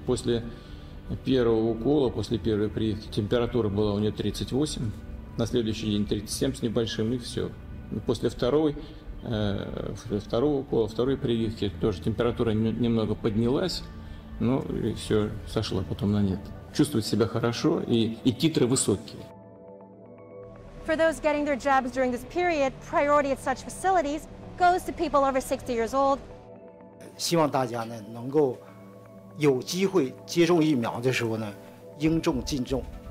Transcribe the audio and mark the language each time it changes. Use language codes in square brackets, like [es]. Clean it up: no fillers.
[ru] После первого укола, после первой прививки, температура была у нее 38. На следующий день 37 с небольшим, и все. После второй прививки тоже температура немного поднялась, но и все, сошло потом на нет. Чувствовать себя хорошо, и титры высокие. [en] For those getting their jabs during this period, priority at such facilities goes to people over 60 years old. [zh] 希望大家呢, 能够有机会接种疫苗的时候呢, 应众尽众。